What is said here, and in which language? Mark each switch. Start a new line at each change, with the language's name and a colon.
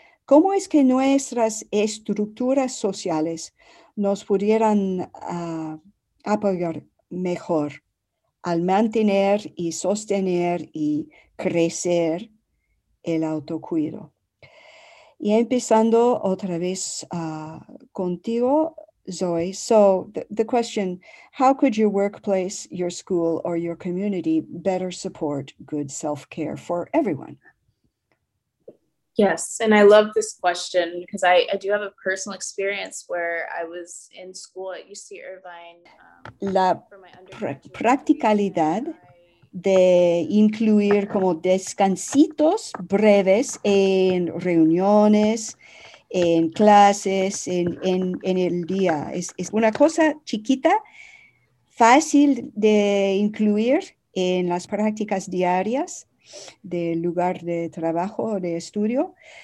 Spanish: ¿Cómo es que nuestras estructuras sociales nos pudieran apoyar mejor al mantener y sostener y crecer el autocuido? Y empezando otra vez contigo, Zoe.
English: So the question, how could your workplace, your school, or your community better support good self-care for everyone? Yes, and I love this question because I do have a personal experience where I was in school at UC Irvine.
Spanish: La practicalidad de incluir como descansitos breves en reuniones, en clases, en el día. Es una cosa chiquita, fácil de incluir en las prácticas diarias del lugar de trabajo o de estudio.